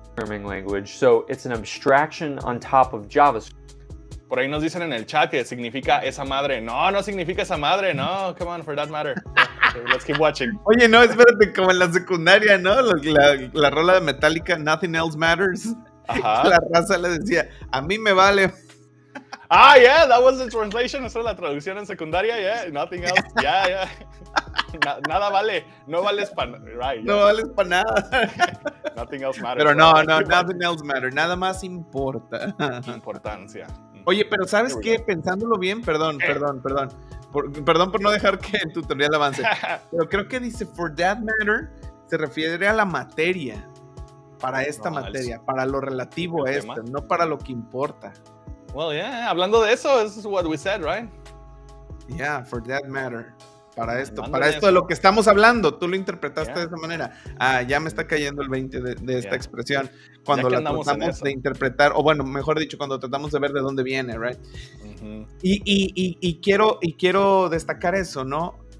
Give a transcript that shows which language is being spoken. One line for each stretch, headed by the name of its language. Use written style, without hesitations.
English: Programming language, so it's an abstraction on top of JavaScript.
Spanish: Por ahí nos dicen en el chat que significa esa madre. No, no significa esa madre.
English: No, come on, for that matter. Let's keep watching.
Spanish: Oye, no, espérate, como en la secundaria, ¿no? La rola de Metallica, Nothing Else Matters. Ajá. La raza le decía, a mí me vale.
English: Ah, yeah, that was the translation.
Spanish: Esa es la traducción en secundaria,
English: yeah.
Spanish: Nothing else, yeah, yeah. Nada vale, no vales para right, no vales para nada.
English: Nothing else matters.
Spanish: Pero no,
English: nothing else matters.
Spanish: Nada más importa. Importancia. Oye, pero ¿sabes qué? Pensándolo bien, perdón. Perdón por no dejar que el tutorial avance. Pero creo que dice,
English: for that matter,
Spanish: se refiere a la materia. Para esta materia, para lo relativo a esto, no para lo que importa.
English: Well, yeah,
Spanish: hablando de eso,
English: this is what we said, right? Yeah, for that matter.
Spanish: Para esto, hablando para esto de lo que estamos hablando. Tú lo interpretaste de esa manera. Ah, ya me está cayendo el 20 de esta expresión. Cuando la tratamos de interpretar, o bueno, mejor dicho, cuando tratamos de ver de dónde viene, right? Uh-huh. Y quiero destacar eso, ¿no?